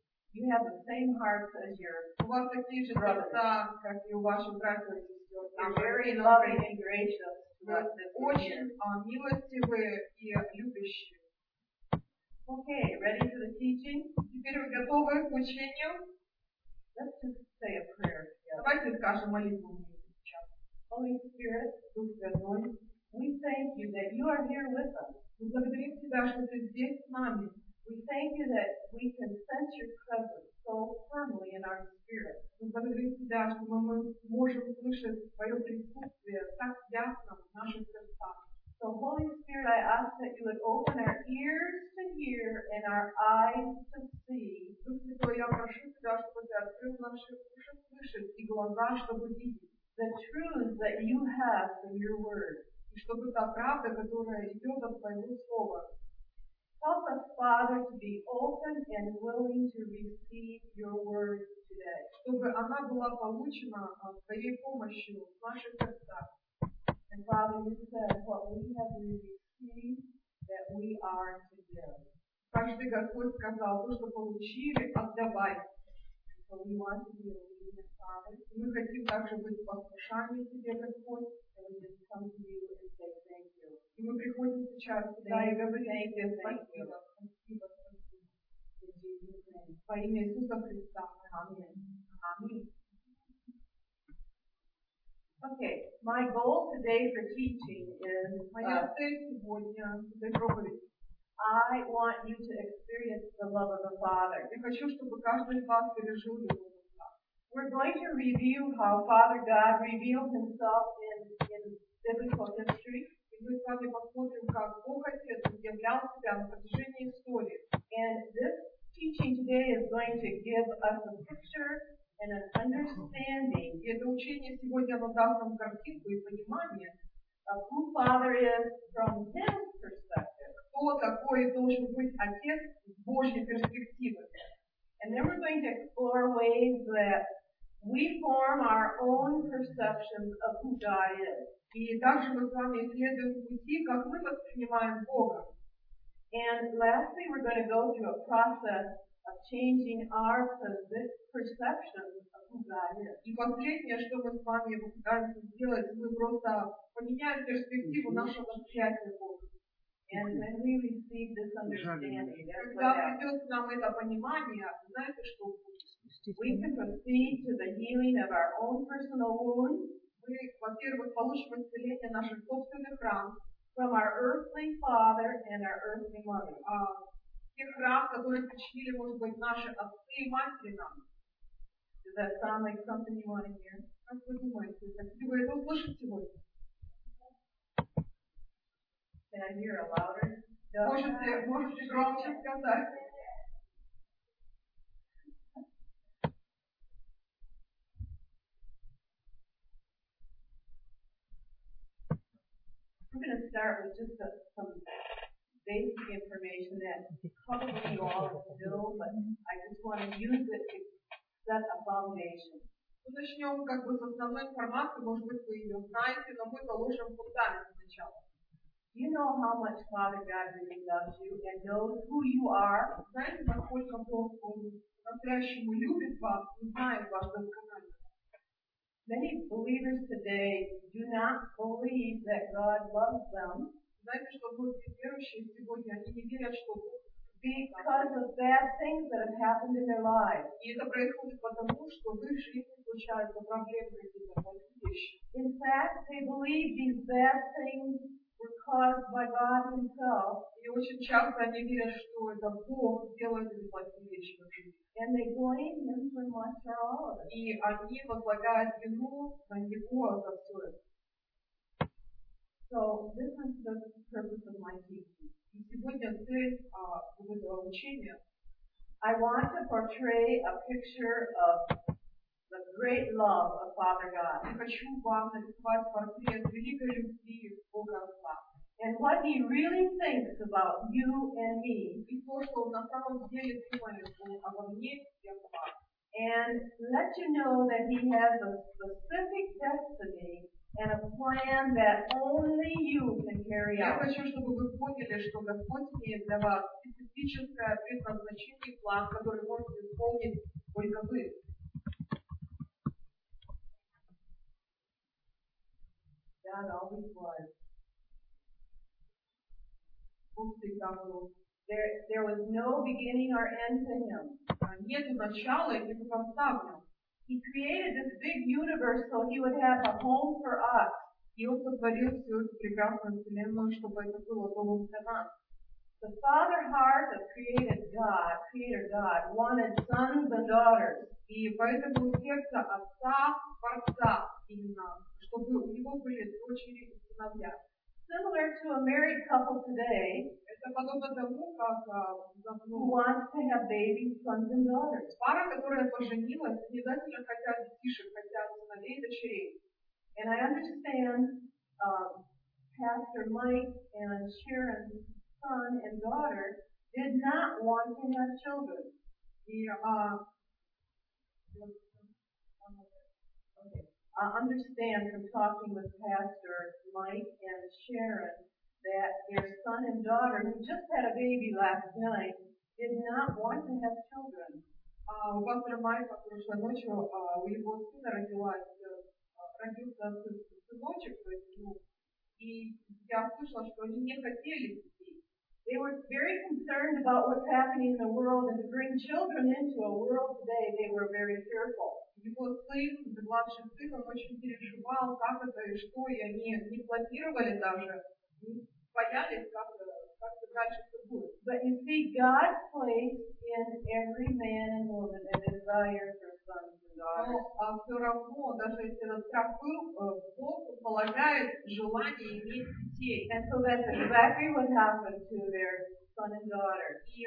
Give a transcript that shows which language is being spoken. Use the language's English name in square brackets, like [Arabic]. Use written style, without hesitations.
[English] You have the same hearts as your brothers. Very loving and gracious. [Russian] Очень милостивые и любящие. теперь вы готовы к учению? [English] Let's just say a prayer. [Russian] Давайте скажем молитву вместе сейчас. [English] Holy Spirit, [Russian] Дух Святой, [English] we thank you that you are here with us. [Russian] Мы благодарим тебя, что ты здесь с нами. [English] We thank you that we can sense your presence so firmly in our spirit. [Russian] Мы благодарим тебя, что мы можем слышать твое присутствие так ясно в наших сердцах. [English] So Holy Spirit, I ask that you would open our ears to hear and our eyes to see. [Russian] Дух Святой, я прошу тебя, чтобы ты открыл наши уши слышать и глаза, чтобы видеть [English] the truth that you have from your word. [Russian] И чтобы та правда, которая идет от твоего слова. [English] Help us, Father, to be open and willing to receive your word today. [Russian] Чтобы она была получена твоей помощью в наших сердцах. [English] And Father, you said what we have received that we are to give. [Russian] Каждый Господь сказал, то, что получили, отдавай. [English] And so we want to be obedient, Father. [Russian] И мы хотим также быть послушанием тебе, Господь. [English] And we just come to you and say thank you. [Russian] И мы приходим сейчас сюда и говорим тебе спасибо. Спасибо, спасибо. [English] In Jesus' name. [Russian] Во имя Иисуса Христа. Аминь. Аминь. [English] Okay, my goal today for teaching is I want you to experience the love of the Father. We're going to review how Father God revealed himself in biblical history. And this teaching today is going to give us a picture and an understanding. [Russian] И это учение сегодня, оно даст нам картинку и понимание [English] of who Father is from His perspective. [Russian] Кто такой должен быть Отец с Божьей перспективы. [English] And then we're going to explore ways that we form our own perceptions of who God is. [Russian] И также мы с вами исследуем пути, как мы воспринимаем Бога. [English] And lastly, we're going to go through a process of changing our perception of who God is. [Russian] И последнее, что мы с вами пытаемся сделать, мы просто поменяем перспективу нашего восприятия Бога. [English] And when we receive this understanding, [Russian] когда придет к нам это понимание, знаете что? [English] We can proceed to the healing of our own personal wounds. [Russian] Мы, во-первых, получим исцеление наших собственных ран [English] from our earthly father and our earthly mother. [Russian] Тех ран, которые причинили, может быть, наши отцы и матери нам. [English] Does that sound like something you want to hear? [Russian] Как вы думаете, хотите вы это услышать сегодня? [English] Can I hear a louder? [Russian] Можете громче сказать? [English] We're going to start with just some basic information that probably you all know, but I just want to use it to set a foundation. [Russian] Мы начнем как бы с основной информации, может быть, вы ее знаете, но мы положим фундамент сначала. [English] Do you know how much Father God really loves you and knows who you are? [Russian] Знаете, насколько Бог по-настоящему любит вас и знает вас досконально? [English] Many believers today do not believe that God loves them. [Russian] Знаете, что многие верующие сегодня, они не верят, что Бог [English] because of bad things that have happened in their lives. [Russian] И это происходит потому, что в их жизни случаются проблемы какие-то, плохие вещи. [English] In fact, they believe these bad things were caused by God Himself. [Russian] И очень часто они верят, что это Бог делает эти плохие вещи в жизни. [English] And they blame Him for much or all of it. [Russian] И они возлагают вину на Него за все это. [English] So, this is the purpose of my teaching. [Russian] И сегодня цель этого учения. [English] I want to portray a picture of the great love of Father God. [Russian] Я хочу вам нарисовать портрет великой любви Бога Отца. [English] And what He really thinks about you and me. [Russian] И то, что на самом деле думает обо мне и обо вас. [English] And let you know that He has a specific destiny and a plan that only you can carry out. [Russian] Я хочу, чтобы вы поняли, что Господь имеет для вас специфическое предназначение и план, который может исполнить только вы. [English] God always was. [Russian] Бог всегда был. [English] There was no beginning or end to him. [Russian] Нет начала и конца в нем. [English] He created this big universe so he would have a home for us. [Russian] И он сотворил всю эту прекрасную вселенную, чтобы это было домом для нас. [English] The father heart of creator God, wanted sons and daughters. [Russian] И поэтому сердце отца, творца именно, чтобы у него были дочери и сыновья. [English] Similar to a married couple today, who wants to have babies, sons and daughters. [Russian] Пара, которая поженилась, обязательно хотят детишек, хотят сыновей и дочерей. [English] And I understand Pastor Mike and Sharon's son and daughter did not want to have children. I understand from talking with Pastor Mike and Sharon that their son and daughter, who just had a baby last night, did not want to have children. [Russian] Pastor Mike, прошлой ночью у его сына родился сыночек, то есть, ну, и я слышала, что они не хотели детей. [English] They were very concerned about what's happening in the world, and to bring children into a world today, they were very fearful. [Russian] Его сын, младший сын, он очень переживал, как это и что, и они не планировали даже, боялись, как дальше все будет. [English] But you see, God placed in every man and woman a desire for sons and daughters. [Russian] Но все равно, даже если этот страх был, Бог полагает желание иметь детей. [English] And so that's exactly what happened to their son and daughter.